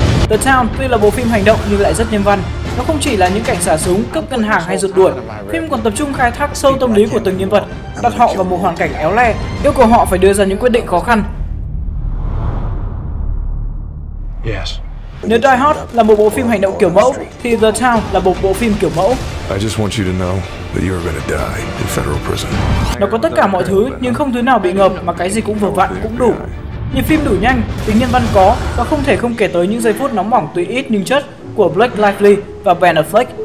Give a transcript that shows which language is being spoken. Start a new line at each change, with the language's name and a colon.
Vietnamese: The Town tuy là bộ phim hành động nhưng lại rất nhân văn. Nó không chỉ là những cảnh xả súng, cướp ngân hàng hay rượt đuổi. Phim còn tập trung khai thác sâu tâm lý của từng nhân vật, đặt họ vào một hoàn cảnh éo le, yêu cầu họ phải đưa ra những quyết định khó khăn. Nếu Die Hard là một bộ phim hành động kiểu mẫu, thì The Town là một bộ phim kiểu mẫu.
English: I just want you to know that you're gonna die in federal prison.
Vietnamese: Nó có tất cả mọi thứ, nhưng không thứ nào bị ngợp mà cái gì cũng vừa vặn cũng đủ. Nhịp phim đủ nhanh, tính nhân văn có và không thể không kể tới những giây phút nóng bỏng tuy ít nhưng chất của Blake Lively và Ben Affleck.